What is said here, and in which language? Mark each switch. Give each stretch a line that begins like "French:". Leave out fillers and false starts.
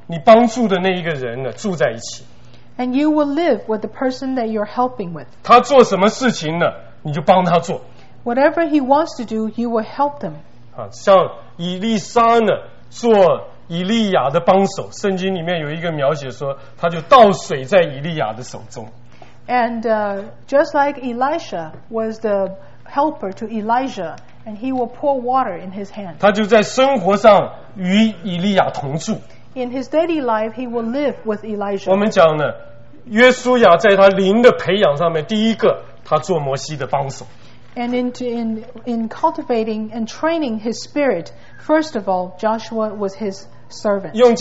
Chinese: 在那个时代呢，就是你跟你帮助的那一个人呢，住在一起。
English: And you will live with the person that you're helping with.
Chinese: 他做什么事情呢，你就帮他做。
English: Whatever he wants to do, he will help them.
Chinese: 像以利沙呢，做以利亚的帮手，圣经里面有一个描写说，他就倒水在以利亚的手中。
English: And just like Elisha was the helper to Elijah, and he will pour water in his hand.
Chinese: 他就在生活上与以利亚同住。
English: In his daily life, he will live with Elijah.
Chinese: 我们讲呢，约书亚在他灵的培养上面，第一个，他做摩西的帮手。
English: And in cultivating and training his spirit, first of all, Joshua was his servant.